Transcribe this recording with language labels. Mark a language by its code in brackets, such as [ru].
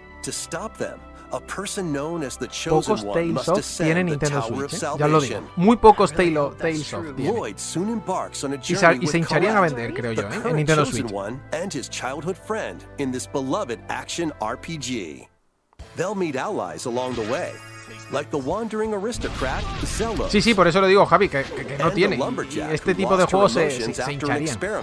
[en] To stop them, a person known as the Chosen One must ascend the Tower of Salvation. [es] Ya lo digo. Muy pocos Tales of tiene. Y se hincharían a vender, creo yo, en Nintendo Switch. [en] And his childhood friend in this beloved action RPG. They'll meet allies along the way, like the wandering aristocrat Zelda. [es] Sí, por eso lo digo, Javi, que no tiene. Y este tipo de juegos se hincharían.